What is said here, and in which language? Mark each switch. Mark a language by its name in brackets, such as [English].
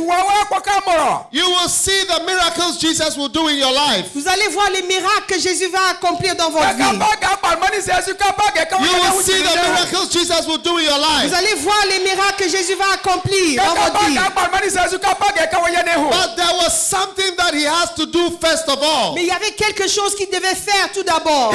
[English] You will see the miracles Jesus will do in your life. [French] Vous allez voir les miracles que Jésus va accomplir dans votre vie. [English] You will see the miracles Jesus will do in your life. [French] Vous allez voir les miracles que Jésus va accomplir dans votre vie. [English] But there was something that he has to do first of all. [French] Mais il y avait quelque chose qu'il devait faire tout d'abord.